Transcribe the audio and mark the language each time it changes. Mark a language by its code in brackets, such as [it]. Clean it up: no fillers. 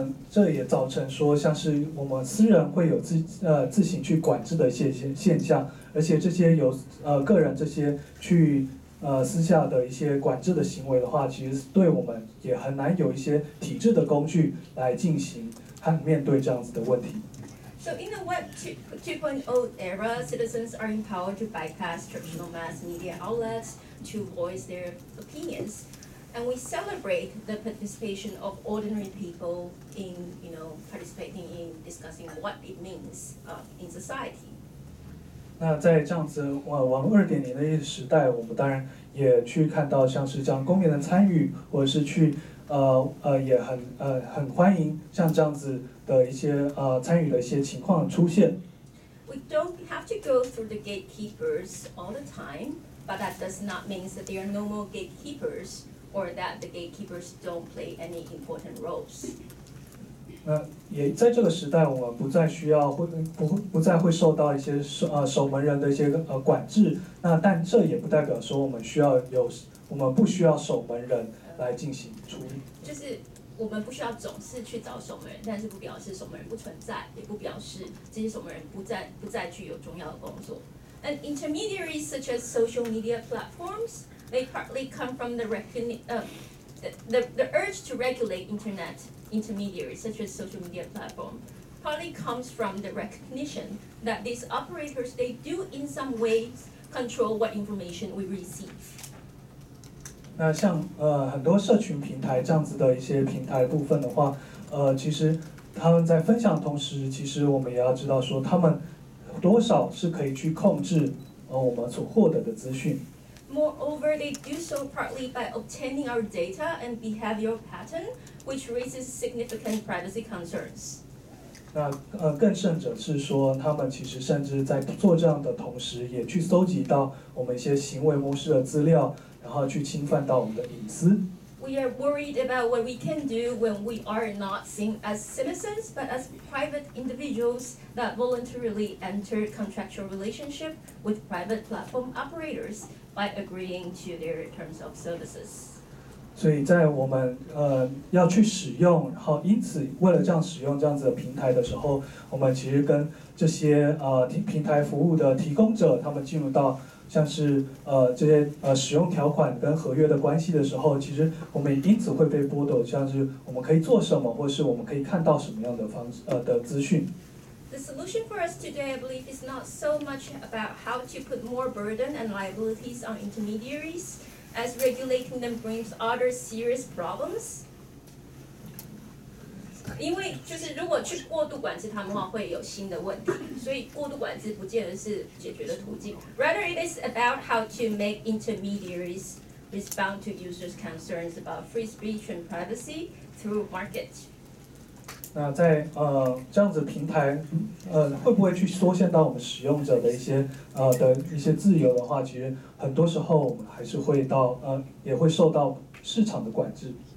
[zh] 这也造成说，像是我们私人会有自行去管制的现象，而且这些有个人这些去私下的一些管制的行为的话，其实对我们也很难有一些体制的工具来进行和面对这样子的问题。 [en] So in the Web 2.0 era, citizens are empowered to bypass traditional mass media outlets to voice their opinions. And we celebrate the participation of ordinary people in, you know, participating in discussing what it means in society. [zh] 那在这样子网络 2.0 的时代，我们当然也去看到像是这样公民的参与，或者是去也很欢迎像这样子的一些参与的一些情况出现。 [en] We don't have to go through the gatekeepers all the time, but that does not mean that there are no more gatekeepers or that the gatekeepers don't play any important roles. [zh] 那也在这个时代，我们不再需要不再会受到一些守门人的一些管制。那但这也不代表说我们不需要守门人来进行处理。就是我们不需要总是去找守门人，但是不表示守门人不存在，也不表示这些守门人不再具有重要的工作。 [en] And intermediaries such as social media platforms, they partly come from the urge to regulate internet intermediaries such as social media platform. Partly comes from the recognition that these operators they do in some ways control what information we receive. [zh] 那像很多社群平台这样子的一些平台部分的话，其实他们在分享的同时，其实我们也要知道说他们多少是可以去控制我们所获得的资讯。 [en] Moreover, they do so partly by obtaining our data and behavioral pattern, which raises significant privacy concerns. [zh] 那更甚者是说，他们其实甚至在做这样的同时，也去搜集到我们一些行为模式的资料。然后去侵犯到我们的隐私。 [en] We are worried about what we can do when we are not seen as citizens, but as private individuals that voluntarily enter contractual relationship with private platform operators by agreeing to their terms of services. [zh] 所以在我们要去使用，然后因此为了这样使用这样子的平台的时候，我们其实跟这些平台服务的提供者，他们进入到。像是这些使用条款跟合约的关系的时候，其实我们因此会被剥夺，像是我们可以做什么，或是我们可以看到什么样的资讯。 [en] The solution for us today, I believe, is not so much about how to put more burden and liabilities on intermediaries, as regulating them brings other serious problems. [zh] 因为就是如果去过度管制他们的话，会有新的问题，所以过度管制不见得是解决的途径。 [en] Rather, it is about how to make intermediaries respond to users' concerns about free speech and privacy through market. [zh] 那在这样子平台会不会去缩限到我们使用者的一些自由的话，其实很多时候我们还是会到也会受到市场的管制。